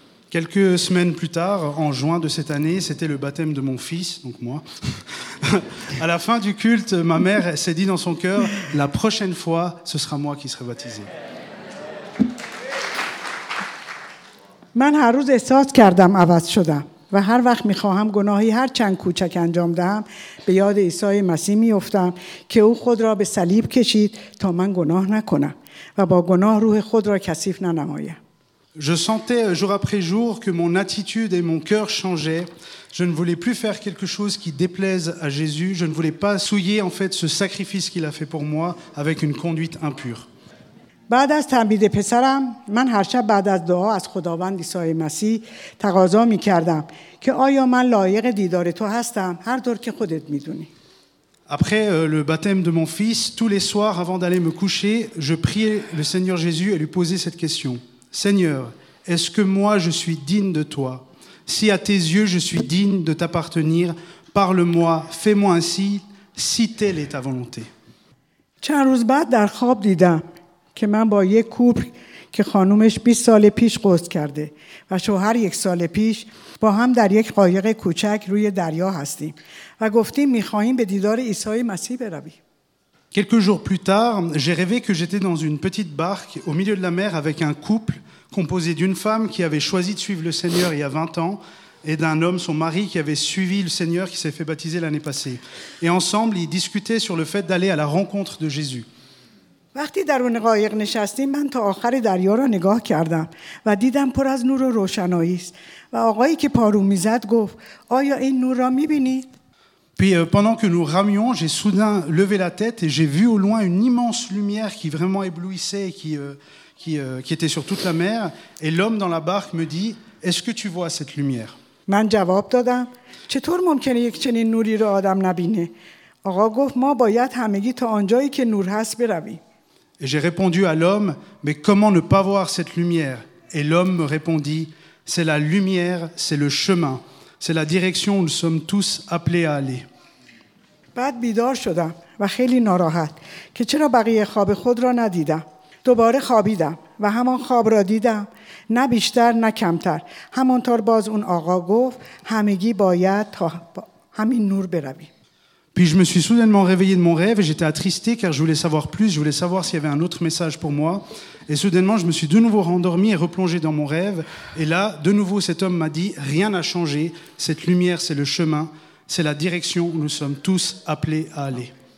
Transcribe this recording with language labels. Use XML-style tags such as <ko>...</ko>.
<fr>Quelques semaines plus tard, en juin de cette année, c'était le baptême de mon fils, donc moi. À la fin du culte, ma mère s'est dit dans son cœur, la prochaine fois, ce sera moi qui serai baptisé.</fr> <fa>من هر روز احساس کردم عوض شدم و هر وقت میخواهم گناهی هر چند کوچک انجام دهم به یاد عیسی مسیح میفتم که او خود را به صلیب کشید تا من گناه نکنم. و با گناه روح خود را کثیف ننمایم.</fa> <fr>Je sentais jour après jour que mon attitude et mon cœur changeaient. Je ne voulais plus faire quelque chose qui déplaise à Jésus. Je ne voulais pas souiller en fait ce sacrifice qu'il a fait pour moi avec une conduite impure.</fr> <fa>بعد از تعمید پسرم من هر شب بعد از دعا از خداوند عیسی مسیح تقاضا می‌کردم که آیا من لایق دیدار تو هستم هر طور که خودت می‌دونی.</fa> <fr>Après le baptême de mon fils, tous les soirs avant d'aller me coucher, je priais le Seigneur Jésus et lui posais cette question. Seigneur, est-ce que moi je suis digne de toi? Si à tes yeux je suis digne de t'appartenir, parle-moi, fais-moi ainsi, si telle est ta volonté.</fr> <fa>چند روز بعد در خواب دیدم که من با یک کوپل که خانومش 20 سال پیش قصد کرده و شوهر یک سال پیش با هم در یک قایق کوچک روی دریا هستیم و گفتیم می‌خواهیم به دیدار عیسی مسیح برویم.</fa> <fr>Quelques jours plus tard, j'ai rêvé que j'étais dans une petite barque au milieu de la mer avec un couple composé d'une femme qui avait choisi de suivre le Seigneur il y a 20 ans et d'un homme, son mari, qui avait suivi le Seigneur qui s'est fait baptiser l'année passée. Et ensemble, ils discutaient sur le fait d'aller à la rencontre de Jésus.</fr> <fa>وقتی در اون قایق نشستیم من تا آخر دریا را نگاه کردم و دیدم پر از نور و روشنایی است و آقایی که پارو می‌زد گفت آیا این نور را می‌بینید؟</fa> <fr>Puis pendant que nous ramions, j'ai soudain levé la tête et j'ai vu au loin une immense lumière qui vraiment éblouissait et qui était sur toute la mer. Et l'homme dans la barque me dit, est-ce que tu vois cette lumière?</fr> <fa>من جواب دادم چطور ممکنه یک چنین نوری را آدم نبینه؟ آقا گفت ما باید همگی تا آنجایی که نور هست برویم.</fa> <fr>Et j'ai répondu à l'homme, mais comment ne pas voir cette lumière? Et l'homme me répondit, c'est la lumière, c'est le chemin. C'est la direction où nous sommes tous appelés à aller.</fr> <fa>بعد بیدار شدم و خیلی ناراحت که چرا بقیه خواب خود را ندیدم. دوباره خوابیدم و همان خواب را دیدم. نه بیشتر نه کمتر. همانطور باز اون آقا گفت همگی باید تا همین نور برویم.</fa> <fr>Puis je me suis soudainement réveillé de mon rêve et j'étais attristé car je voulais savoir plus, je voulais savoir s'il y avait un autre message pour moi. Et soudainement, je me suis de nouveau rendormi et replongé dans mon rêve. Et là, de nouveau, cet homme m'a dit, rien n'a changé, cette lumière, c'est le chemin, c'est la direction où nous sommes tous appelés à aller.</fr>